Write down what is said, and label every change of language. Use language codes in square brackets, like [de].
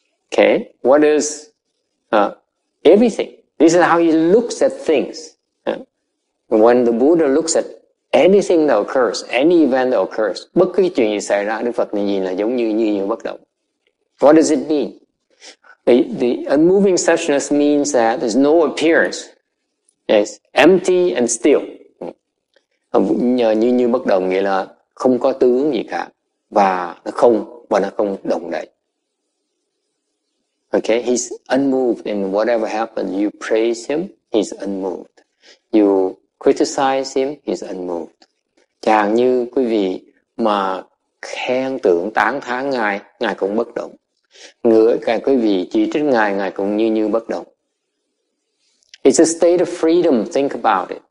[en] Okay, what is everything? This is how he looks at things. When the Buddha looks at anything that occurs, any event that occurs, [vi] bất cứ chuyện gì xảy ra, Đức Phật nhìn là giống như như như bất động. [en] What does it mean? The unmoving suchness means that there's no appearance. It's empty and still. [vi] Nhờ như như bất động nghĩa là không có tướng gì cả và nó không động đậy. [en] Okay, he's unmoved in whatever happens. You praise him, he's unmoved. You criticize him, he's unmoved. [vi] Chẳng như quý vị mà khen tưởng tán thán ngài, ngài cũng bất động. Ngược lại quý vị chỉ trích ngài, ngài cũng như như bất động. [en] It's a state of freedom, think about it.